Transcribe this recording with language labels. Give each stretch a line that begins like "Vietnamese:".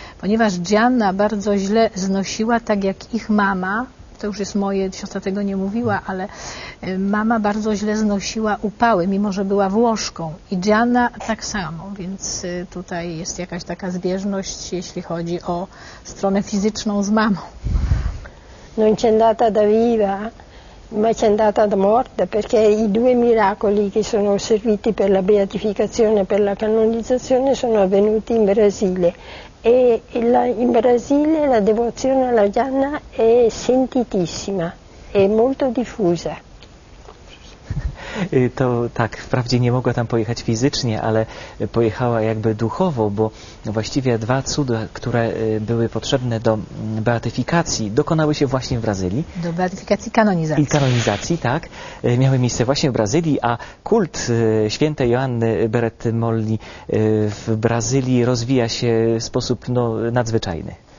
Polish: Ponieważ Gianna bardzo źle znosiła, tak jak ich mama, to już jest moje, siostra tego nie mówiła, ale mama bardzo źle znosiła upały, mimo że była Włoszką. I Gianna tak samo, więc tutaj jest jakaś taka zbieżność, jeśli chodzi o stronę fizyczną z mamą.
Italian: Non c'è andata da viva, ma c'è andata da morta, perché i due miracoli che sono serviti per la beatificazione e per la canonizzazione sono avvenuti in Brasile. E in Brasile la devozione alla Gianna è sentitissima, è molto diffusa.
Polish: To tak, wprawdzie nie mogła tam pojechać fizycznie, ale pojechała jakby duchowo, bo właściwie dwa cuda, które były potrzebne do beatyfikacji, dokonały się właśnie w Brazylii. Do beatyfikacji kanonizacji. I kanonizacji, tak. Miały miejsce właśnie w Brazylii, a kult świętej Joanny Beretty Molli w Brazylii rozwija się w sposób nadzwyczajny.